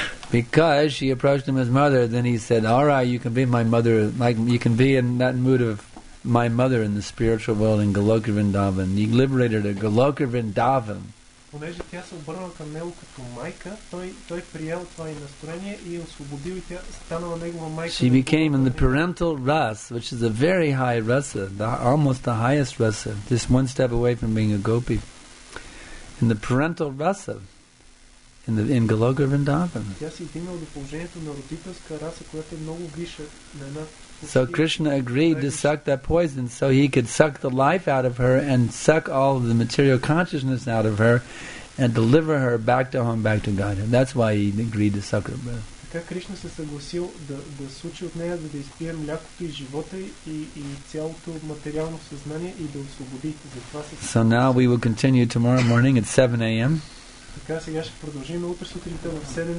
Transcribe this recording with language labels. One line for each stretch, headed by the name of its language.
English: Because she approached him as mother, then he said, all right, you can be my mother, you can be in that mood of my mother in the spiritual world in Goloka Vrindavan. He liberated her, Goloka Vrindavan.
Bulgarian: Понеже тя се обърнала към него като майка, той приел това и настроение и освободил и тя станала негова майка.
English: She became in the parental rasa, which is a very high rasa, almost the highest rasa, just one step away from being a gopi. In the parental rasa, in Goloka Vrindavan.
Bulgarian: Тя се вдигнала до положението на родителска раса, която е много висша на една.
English: So Krishna agreed to suck that poison so he could suck the life out of her and suck all of the material consciousness out of her and deliver her back to home, back to God. And that's why he agreed to suck her breath.
Bulgarian: Krishna се съгласил да случи от нея, да изпие млякото и живота и цялото материално съзнание и да освободи.
English: So now we will continue tomorrow morning at 7 a.m.
Bulgarian: Така сега ще продължим утре сутринта в 7